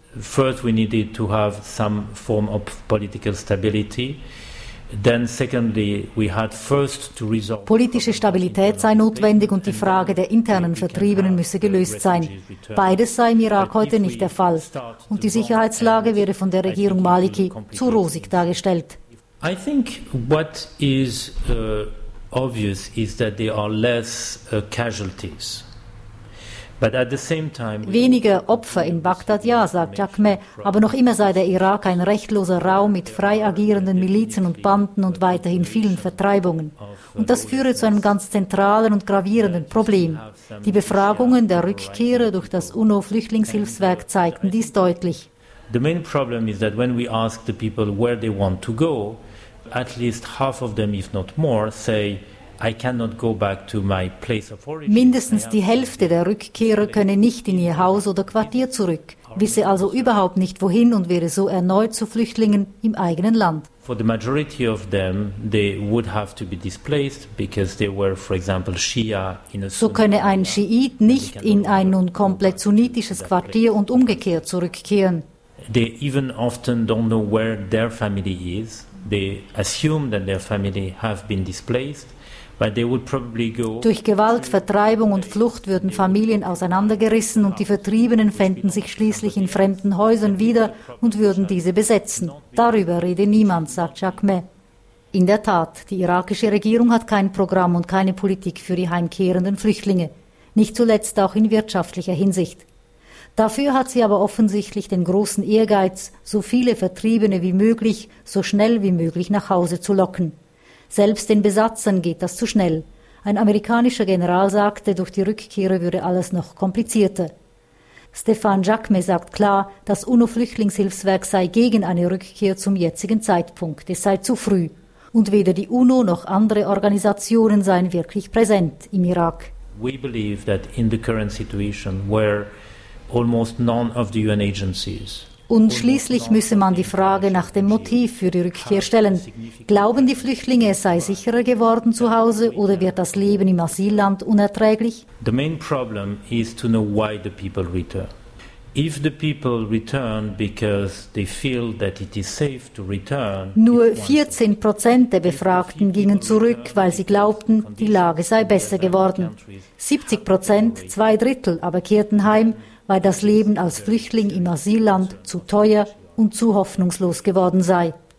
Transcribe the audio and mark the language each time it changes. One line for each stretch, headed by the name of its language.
English: First, we needed to have some form of political stability. Then, secondly, we had first to resolve.
German: Politische Stabilität sei notwendig und die Frage der internen Vertriebenen müsse gelöst sein. Beides sei im Irak heute nicht der Fall. Und die Sicherheitslage wäre von der Regierung Maliki zu rosig dargestellt.
English: I think what is obvious is that there are less casualties. But at the same time,
German: weniger Opfer in Bagdad, ja, sagt Jacquemet, aber noch immer sei der Irak ein rechtloser Raum mit frei agierenden Milizen und Banden und weiterhin vielen Vertreibungen. Und das führe zu einem ganz zentralen und gravierenden Problem. Die Befragungen der Rückkehrer durch das UNO-Flüchtlingshilfswerk zeigten dies deutlich.
English: The main problem is that when we ask the people where they want to go, at least half of them, if not more, say
German: Mindestens die Hälfte der Rückkehrer könne nicht in ihr Haus oder Quartier zurück, wisse also überhaupt nicht wohin und wäre so erneut zu Flüchtlingen im eigenen Land.
English: For the majority of them, they would have to be displaced because they were, for example, Shia in a.
German: So könne ein Schiit nicht in ein nun komplett sunnitisches Quartier und umgekehrt zurückkehren.
English: They even often don't know where their family is. They assume that their family have been displaced, but they would probably go.
German: Durch Gewalt, Vertreibung und Flucht würden Familien auseinandergerissen und die Vertriebenen fänden sich schließlich in fremden Häusern wieder und würden diese besetzen. Darüber rede niemand, sagt Jacmet. In der Tat, die irakische Regierung hat kein Programm und keine Politik für die heimkehrenden Flüchtlinge. Nicht zuletzt auch in wirtschaftlicher Hinsicht. Dafür hat sie aber offensichtlich den großen Ehrgeiz, so viele Vertriebene wie möglich, so schnell wie möglich nach Hause zu locken. Selbst den Besatzern geht das zu schnell. Ein amerikanischer General sagte, durch die Rückkehrer würde alles noch komplizierter. Stéphane Jacmet sagt klar, das UNO-Flüchtlingshilfswerk sei gegen eine Rückkehr zum jetzigen Zeitpunkt. Es sei zu früh. Und weder die UNO noch andere Organisationen seien wirklich präsent im Irak.
English: We believe that in the current situation where almost none of the UN agencies.
German: Und schließlich müsse man die Frage nach dem Motiv für die Rückkehr stellen. Glauben die Flüchtlinge, es sei sicherer geworden zu Hause oder wird das Leben im Asylland unerträglich?
English: The main problem is to know why the people return. If the people return because they feel that it is safe to return.
German: Nur 14% der Befragten gingen zurück, weil sie glaubten, die Lage sei besser geworden. 70%, zwei Drittel, aber kehrten heim, weil das Leben als Flüchtling im Asylland zu teuer und zu hoffnungslos geworden sei.